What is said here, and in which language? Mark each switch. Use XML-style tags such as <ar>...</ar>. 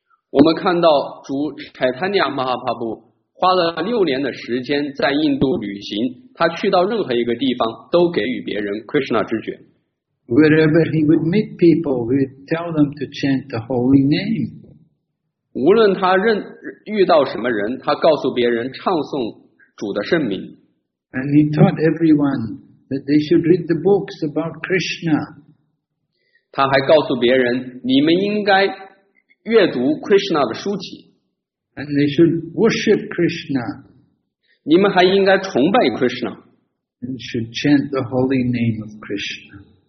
<zh>我们看到主 Chaitanya Mahaprabhu 花了6年的时间在印度旅行，他去到任何一个地方都给予别人 Krishna 知觉。</zh> <en>Wherever he would meet people, he would tell them to chant the holy name.</en> <zh>无论他遇到什么人，他告诉别人唱诵主的圣名。</zh> <en>And he taught everyone. That they should read the books about Krishna.</en> <zh>他还告诉别人，你们应该阅读 Krishna 的书籍。</zh> <en>And they should worship Krishna.</en> <zh>你们还应该崇拜 Krishna.</zh> <en>And should chant the holy name of Krishna.</en>